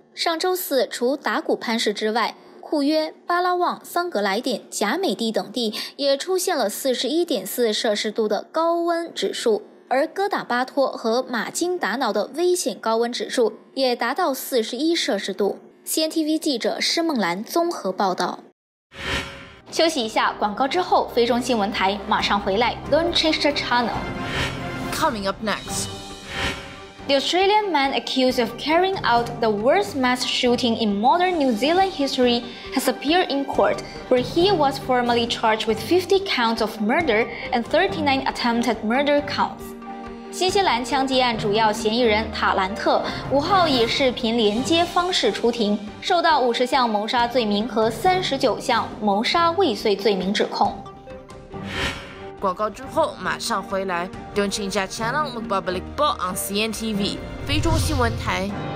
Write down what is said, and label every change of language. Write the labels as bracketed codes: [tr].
[zh] 上周四，除达古潘市之外，库约、巴拉旺、桑格莱典、贾美蒂等地也出现了 41.4 摄氏度的高温指数，而哥打巴托和马金达瑙的危险高温指数也达到41摄氏度。 CNTV 记者施梦兰综合报道。休息一下，广告之后，菲中新闻台马上回来。 [en] Don't change the channel. Coming up next. The Australian man accused of carrying out the worst mass shooting in modern New Zealand history has appeared in court, where he was formally charged with 50 counts of murder and 39 attempted murder counts. [zh] 新西兰枪击案主要嫌疑人塔兰特5号以视频连接方式出庭，受到50项谋杀罪名和39项谋杀未遂罪名指控。广告之后马上回来。 [en] Don't change that channel with Public Ball on CNTV, 菲中新闻台。